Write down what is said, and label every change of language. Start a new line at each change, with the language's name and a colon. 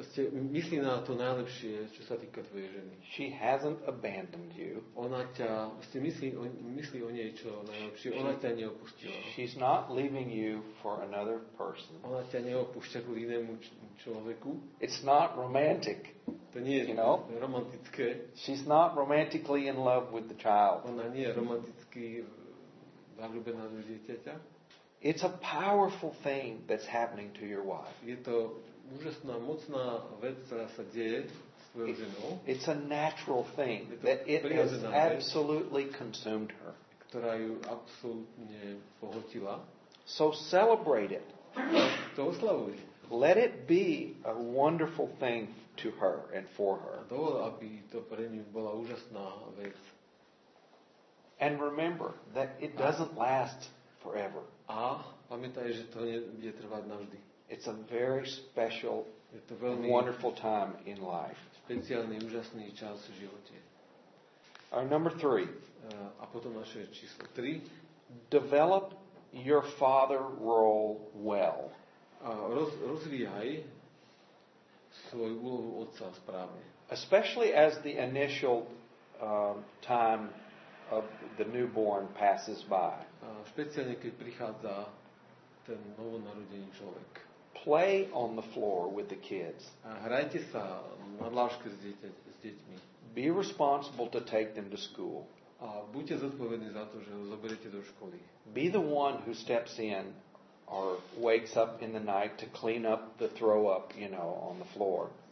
Slovak: Myslí na to najlepšie, čo sa týka tvojej ženy.
English: She hasn't abandoned you.
Slovak: Ona ťa, myslí o nej čo najlepšie. Ona ťa neopustila.
English: She's not leaving you for another person.
Slovak: Ona ťa neopúšťa kvôli inému človeku.
English: It's not romantic.
Slovak: To nie je romantické.
English: She's not romantically in love with the child.
Slovak: Ona nie je romanticky zaľúbená do dieťaťa.
English: It's a powerful thing that's happening to your wife.
Slovak: Je to úžasná, mocná vec, ktorá sa deje s tvojou ženou.
English: It's a natural thing that it has absolutely consumed her.
Slovak: Ktorá ju absolútne pohltila.
English: So celebrate it.
Slovak: To oslavuj.
English: Let it be a wonderful thing to her and for her.
Slovak: Dovol, aby to pre ňu bola úžasná vec.
English: And remember that it doesn't last forever.
Slovak: A pamätaj, že to nebude trvať navždy.
English: It's a very special, wonderful time in life.
Slovak: Špeciálny, úžasný čas v živote.
English: Our number 3.
Slovak: A potom naše číslo 3.
English: Develop your father role well.
Slovak: Rozvíjaj svoju úlohu otca správne.
English: Especially as the initial time of the newborn passes by.
Slovak: Špeciálne, keď prichádza ten novonarodený človek.
English: Play on the floor with the kids.
Slovak: Hrajte sa na dláške s deťmi.
English: Be responsible to take them to school.
Slovak: A buďte zodpovední za to, že ho zoberiete do školy.
English: Be the one who steps in or wakes up in the night to clean up the throw up, you know, on the floor.